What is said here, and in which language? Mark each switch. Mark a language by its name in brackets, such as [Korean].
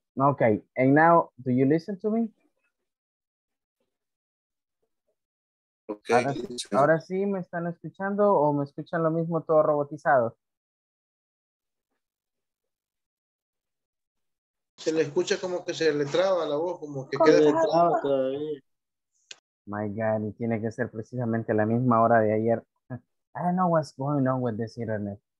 [English] Okay, and now, do you listen to me? Okay. [Spanish] Ahora sí, ¿me están escuchando o me escuchan lo mismo todo robotizado? Se le escucha como que se le traba la voz, como que queda trabado todavía. [English] My God, [Spanish] y tiene que ser precisamente la misma hora de ayer. [English] I don't know what's going on with this internet.